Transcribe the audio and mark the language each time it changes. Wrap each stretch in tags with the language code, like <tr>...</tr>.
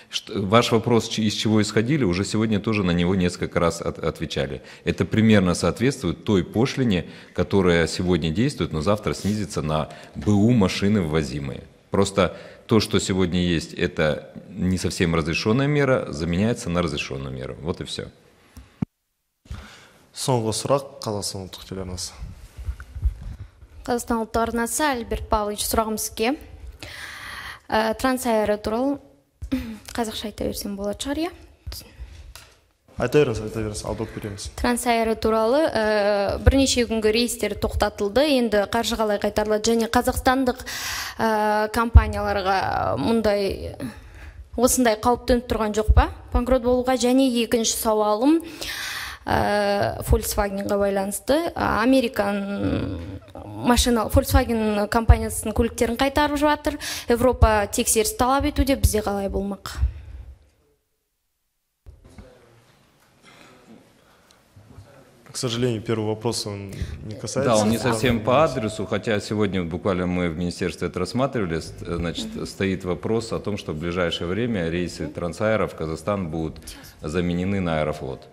<ru>Ваш вопрос, из чего исходили, уже сегодня тоже на него несколько раз отвечали. Это примерно соответствует той пошлине, которая сегодня действует, но завтра снизится на БУ машины ввозимые. Просто то, что сегодня есть, это не совсем разрешенная мера, заменяется на разрешенную меру. Вот и все.</ru> <kk>Соңғы сұрақ, Қазақстан ұлттық телеарнасы. Қазақстан ұлттық арнасы, Альберт Павлович, сұрағым сізге. Трансайры туралы қазақша айта берсем болады шығар, я? Айта беріңіз, алдап береміз. Трансайры туралы бірнеше күнгі рейстер тоқтатылды, енді қаржы қалай қайтарылады, және қазақстандық компанияларға мұндай осындай қауіп төніп тұрған жоқ па? Банкрот болуға, және екінші сауалым Volkswagen-ға байланысты. Американ машина Volkswagen компаниясының көліктерін қайтарып жатыр. Еуропа тексеріс талап етуде, бізде қалай болмақ?</kk> <ru>К сожалению, первый вопрос он не касается. Да, он не совсем по адресу, хотя сегодня буквально мы в министерстве это рассматривали. Значит, стоит вопрос о том, что в ближайшее время рейсы Трансайра в Казахстан будут заменены на Аэрофлот.</ru>